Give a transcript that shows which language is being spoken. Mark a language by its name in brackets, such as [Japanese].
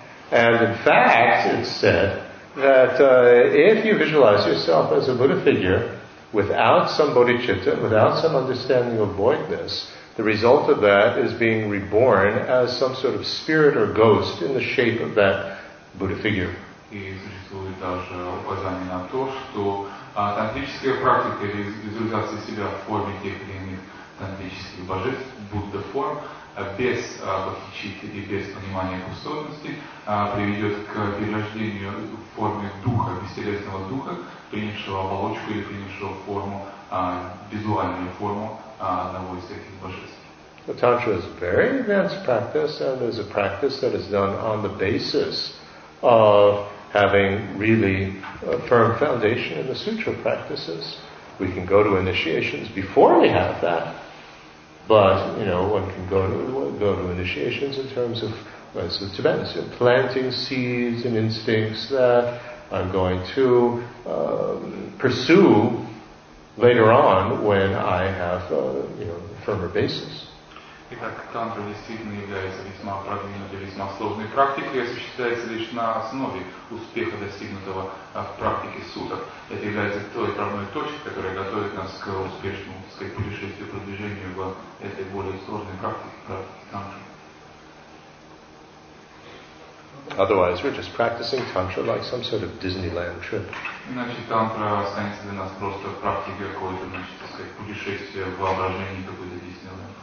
[English] And in fact, it's said that if you visualize yourself as a Buddha figure without some bodhicitta, without some understanding of voidness, the result of that is being reborn as some sort of spirit or ghost in the shape of that Buddha figure. [Russian] И существует даже указание на то, что тантрическая практика или визуализация себя в форме тех или иных тантрических божеств, Будда форм, без бодхичитты и без понимания пустотности приведет к перерождению в форме духа, бестелесного духа, принявшего оболочку или принявшего форму, визуальную форму одного из этих божеств. [English] The Tantra is a very advanced practice and is a practice that is done on the basis of having really a firm foundation in the sutra practices. We can go to initiations before we have that. But, you know, one can go to initiations in terms of, as the Tibetans, you know, planting seeds and instincts that I'm going to pursue later on when I have a firmer basis. [Russian] Итак, тантра действительно является весьма продвинутой, весьма сложной практикой и осуществляется лишь на основе успеха, достигнутого в практике суток. Это является той отправной точкой, которая готовит нас к успешному, так сказать, путешествию, продвижению в этой более сложной практике, практике тантры. [English] Otherwise, we're just practicing tantra like some sort of Disneyland trip. [Russian] Иначе тантра останется для нас просто практикой какой-то, значит, так сказать, путешествия в воображении какой-то Диснейленд.